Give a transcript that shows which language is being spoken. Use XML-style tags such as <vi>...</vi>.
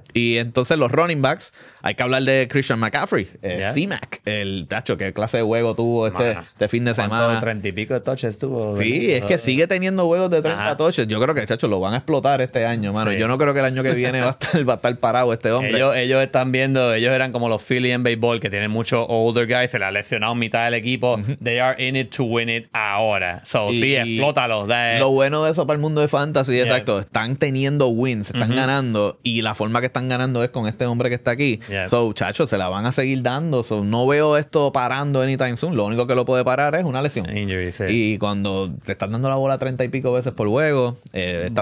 <es>Y entonces los running backs, hay que hablar de Christian McCaffrey, C-Mac, el tacho, qué clase de juego tuvo este fin de semana. ¿Cuánto? 30 y pico de touches tuvo. Sí, es que sigue teniendo juegos de 30 touches. Yo creo que, chacho, lo van a explotar este año, mano. Sí. Yo no creo que el año que viene va a estar parado este hombre. Ellos están viendo, ellos eran como los Phillies en béisbol, que tienen muchos older guys, se le ha lesionado mitad del equipo.</es> <en>They are in it to win it ahora.</en> <es>So, explótalo. Lo bueno de eso para el mundo de fantasy, exacto, están teniendo wins, están ganando, y la forma que están ganando es con este hombre que está aquí.</es> <en>Yeah.</en> <es>So, chacho, se la van a seguir dando. So, no veo esto parando</es> <en>anytime soon.</en> <es>Lo único que lo puede parar es una lesión.</es> <en>Injury, sí.</en> <es>Y cuando te están dando la bola 30 y pico veces por juego, esta</es>